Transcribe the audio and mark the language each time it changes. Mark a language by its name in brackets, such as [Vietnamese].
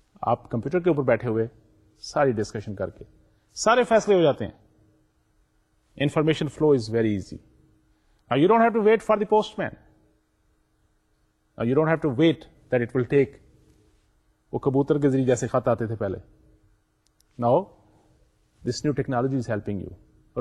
[Urdu] آپ کمپیوٹر کے اوپر بیٹھے ہوئے ساری ڈسکشن کر کے سارے فیصلے ہو جاتے ہیں. [English] Information flow is very easy. You don't have to wait for the postman, you don't have to wait that it will take. [Urdu] وہ کبوتر کے ذریعے جیسے خط آتے تھے پہلے, [English] Now this new technology is helping you.